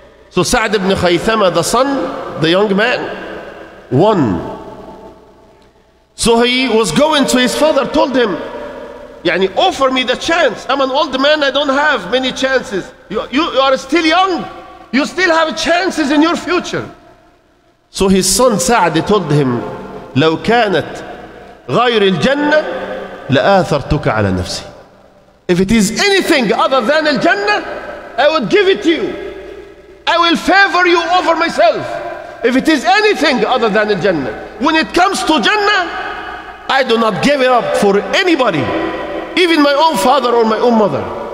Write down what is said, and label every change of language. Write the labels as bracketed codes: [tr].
[en] So Sa'd ibn Khaythamah, the son, the young man, won. So he was going to his father, told him, "Yani, offer me the chance. I'm an old man, I don't have many chances. You are still young. You still have chances in your future." So his son Sa'd told him, [ar] "لو كانت غير الجنة لآثرتك على نفسي. [en] If it is anything other than al-Jannah, I would give it to you. I will favor you over myself. If it is anything other than al-Jannah, when it comes to Jannah, I do not give it up for anybody, even my own father or my own mother.